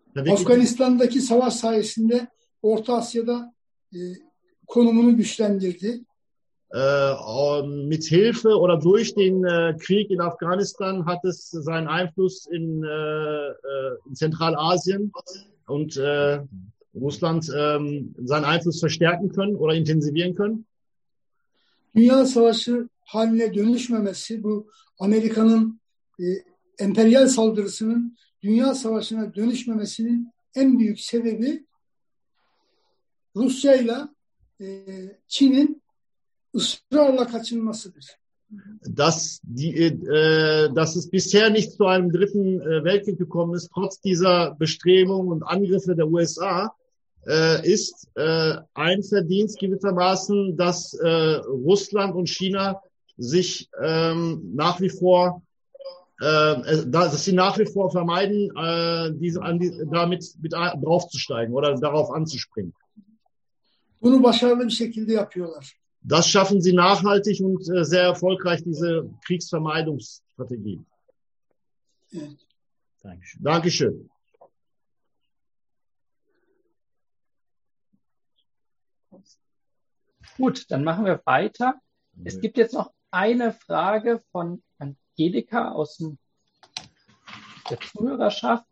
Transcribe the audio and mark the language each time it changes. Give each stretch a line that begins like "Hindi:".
Turkish: Afganistan'daki savaş sayesinde Orta Asya'da konumunu güçlendirdi.
German: Mit Hilfe oder durch den Krieg in Afghanistan hat es seinen Einfluss in Zentralasien und Russland seinen Einfluss verstärken können oder intensivieren können.
Turkish: Dünya savaşı haline dönüşmemesi, bu Amerika'nın emperyal saldırısının dünya savaşına dönüşmemesinin en büyük sebebi Rusya ile Çin'in ısrarla kaçınmasıdır.
German: Dass es bisher nicht zu einem dritten Weltkrieg gekommen ist, trotz dieser Bestrebungen und Angriffe der USA, ist ein Verdienst gewissermaßen, dass Russland und China sich nach wie vor dass sie nach wie vor vermeiden, damit draufzusteigen oder darauf anzuspringen.
Turkish: Bunu başarılı bir şekilde yapıyorlar.
German: Das schaffen sie nachhaltig und sehr erfolgreich, diese Kriegsvermeidungsstrategie.
Turkish: Evet.
German: Dankeschön. Dankeschön. Gut, dann machen wir weiter. Okay. Es gibt jetzt noch eine Frage von Angelika aus der Zuhörerschaft.